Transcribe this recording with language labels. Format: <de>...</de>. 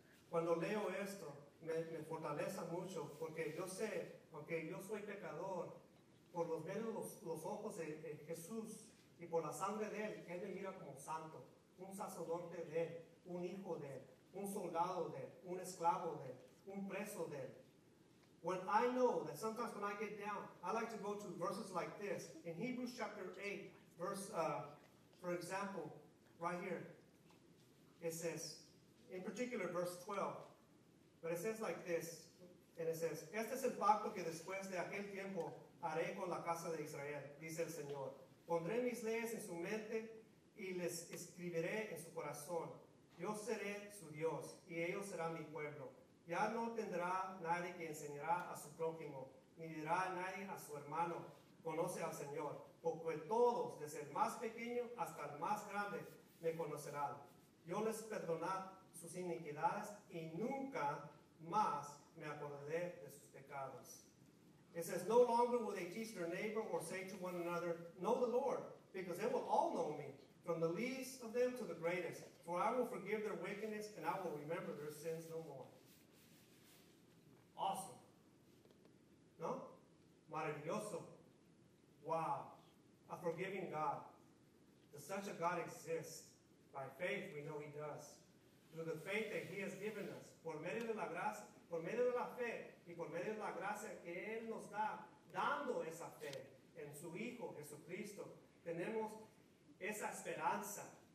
<es>Cuando leo esto, me fortalece mucho, porque yo sé, aunque yo soy pecador, por los menos los ojos de Jesús y por la sangre de Él, Él me mira como santo, un sacerdote de Él, un hijo de Él, un soldado de Él, un esclavo de Él, un preso de Él.</es> <en>When I know that sometimes when I get down, I like to go to verses like this. In Hebrews chapter 8, for example, right here, it says, in particular, verse 12, but it says like this, and it says,</en> <es>este es el pacto que después de aquel tiempo haré con la casa de Israel, dice el Señor. Pondré mis leyes en su mente y les escribiré en su corazón. Yo seré su Dios y ellos serán mi pueblo. Ya no tendrá nadie que enseñará a su prójimo, ni dirá nadie a su hermano, conoce al Señor, porque todos, desde el más pequeño hasta el más grande, me conocerán. Yo les perdonaré sus iniquidades y nunca más me acordaré de sus pecados.</es> <en>It says, no longer will they teach their neighbor or say to one another, know the Lord, because they will all know me, from the least of them to the greatest. For I will forgive their wickedness and I will remember their sins no more. Awesome. No?</en> <es>Maravilloso.</es> <en>Wow. A forgiving God. Does such a God exist? By faith, we know he does. Through the faith that he has given us.</en> <es>Por medio de la gracia, por medio de la fe, y por medio de la gracia que él nos da, dando esa fe en su Hijo, Jesucristo, tenemos esa esperanza.</es>